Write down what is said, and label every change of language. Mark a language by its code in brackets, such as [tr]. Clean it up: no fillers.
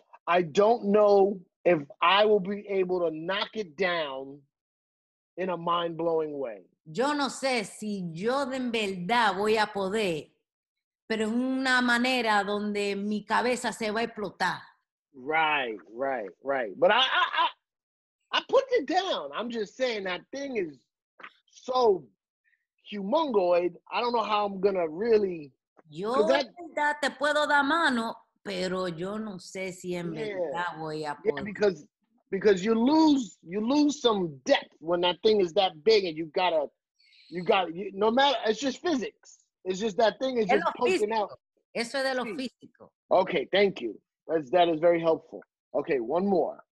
[en] I don't know if I will be able to knock it down in a mind-blowing way. [es] Yo no sé si yo de verdad voy a poder, pero en una manera donde mi cabeza se va a explotar. [en] Right. But I put it down. I'm just saying that thing is so humongoid. I don't know how I'm going to really... [es] Yo de verdad te puedo dar mano, pero yo no sé si en verdad voy a poder. [en] Yeah, because you lose some depth when that thing is that big and you got to, no matter, it's just physics. It's just that thing is just poking [es] físico. [en] Out. [es] Eso es de lo físico. [en] Okay, thank you. That is very helpful. Okay, one more.